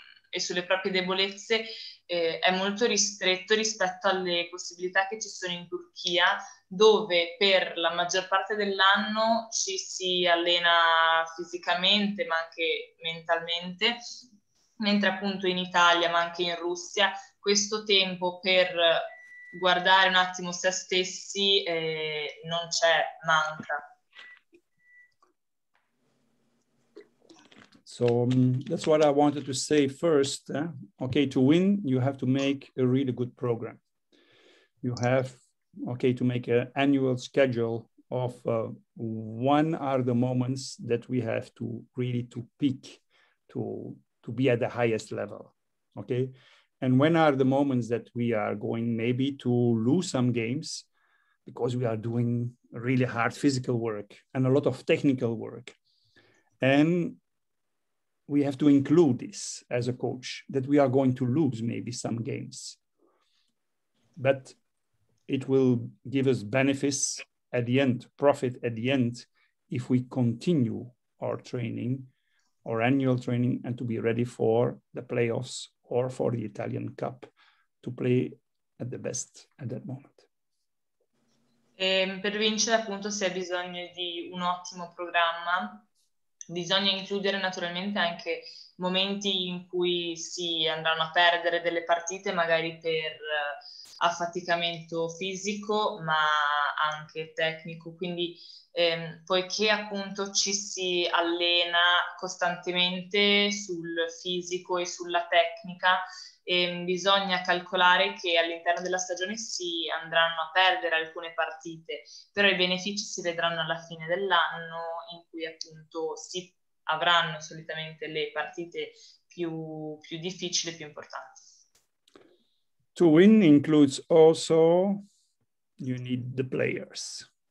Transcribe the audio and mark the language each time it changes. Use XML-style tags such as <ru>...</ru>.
<it>e sulle proprie debolezze è molto ristretto rispetto alle possibilità che ci sono in Turchia, dove per la maggior parte dell'anno ci si allena fisicamente ma anche mentalmente, mentre appunto in Italia ma anche in Russia questo tempo per guardare un attimo se stessi non c'è, manca.</it> <en>So that's what I wanted to say first. Okay, to win, you have to make a really good program. You have, to make an annual schedule of when are the moments that we have to really to peak, to be at the highest level, okay? And when are the moments that we are going maybe to lose some games because we are doing really hard physical work and a lot of technical work. And we have to include this as a coach, that we are going to lose maybe some games, but it will give us benefits at the end, profit at the end, if we continue our training, our annual training, and to be ready for the playoffs or for the Italian Cup to play at the best at that moment.</en> <it>Per vincere appunto si ha bisogno di un ottimo programma. Bisogna includere naturalmente anche momenti in cui si andranno a perdere delle partite, magari per affaticamento fisico, ma anche tecnico. Quindi, poiché appunto ci si allena costantemente sul fisico e sulla tecnica, bisogna calcolare che all'interno della stagione si andranno a perdere alcune partite, però i benefici si vedranno alla fine dell'anno, in cui appunto si avranno solitamente le partite più difficili e più importanti.</it> <en>To win includes also you need the players.</en>